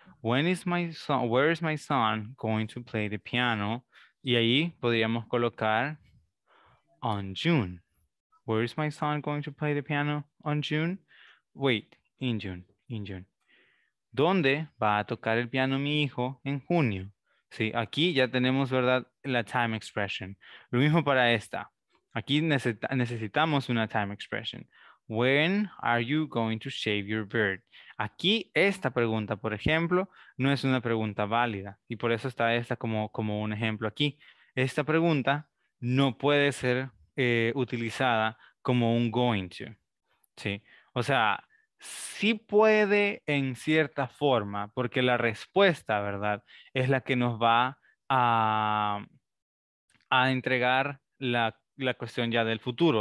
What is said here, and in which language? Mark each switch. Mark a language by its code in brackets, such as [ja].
[en] Where is my son going to play the piano? [es] Y ahí podríamos colocar [en] on June. Where is my son going to play the piano on June? Wait, in June. [es] ¿Dónde va a tocar el piano mi hijo en junio? Sí, aquí ya tenemos, ¿verdad?, la [en] time expression. [es] Lo mismo para esta. Aquí necesitamos una time expression. [en] When are you going to shave your beard? [es] Aquí esta pregunta, por ejemplo, no es una pregunta válida. Y por eso está esta como un ejemplo aquí. Esta pregunta no puede ser utilizada como un going to. Sí. O sea, sí puede en cierta forma, porque la respuesta, ¿verdad?, es la que nos va a entregar la cuestión ya del futuro.